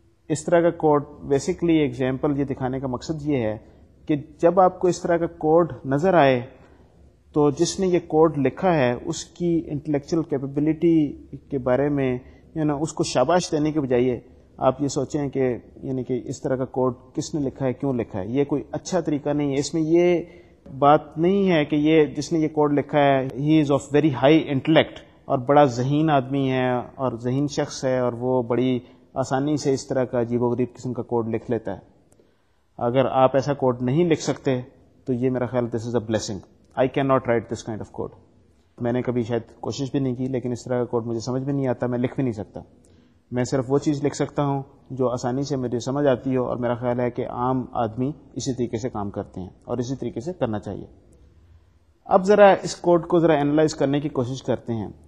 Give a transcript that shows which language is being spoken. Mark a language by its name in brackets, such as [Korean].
[Urdu] اس طرح کا code basically example یہ دکھانے کا مقصد یہ ہے کہ جب آپ کو اس طرح کا کوڈ نظر آئے تو جس نے یہ کوڈ لکھا ہے اس کی انٹلیکچوئل کیپیبلٹی کے بارے میں, یعنی اس کو شاباش دینے کے بجائے آپ یہ سوچیں کہ یعنی کہ اس طرح کا کوڈ کس نے لکھا ہے, کیوں لکھا ہے. یہ کوئی اچھا طریقہ نہیں ہے. اس میں یہ بات نہیں ہے کہ یہ جس نے یہ کوڈ لکھا ہے [English] he is of very high intellect [Urdu] اور بڑا ذہین آدمی ہے اور ذہین شخص ہے اور وہ بڑی آسانی سے اس طرح کا عجیب و غریب قسم کا کوڈ لکھ لیتا ہے. اگر آپ ایسا کوڈ نہیں لکھ سکتے تو یہ میرا خیال [English] This is a blessing. I can not write this kind of code. [Urdu] میں نے کبھی شاید کوشش بھی نہیں کی, لیکن اس طرح کا کوڈ مجھے سمجھ بھی نہیں آتا, میں لکھ بھی نہیں سکتا. میں صرف وہ چیز لکھ سکتا ہوں جو آسانی سے مجھے سمجھ آتی ہو, اور میرا خیال ہے کہ عام آدمی اسی طریقے سے کام کرتے ہیں اور اسی طریقے سے کرنا چاہیے. اب ذرا اس کوڈ کو ذرا انالائز کرنے کی کوشش کرتے ہیں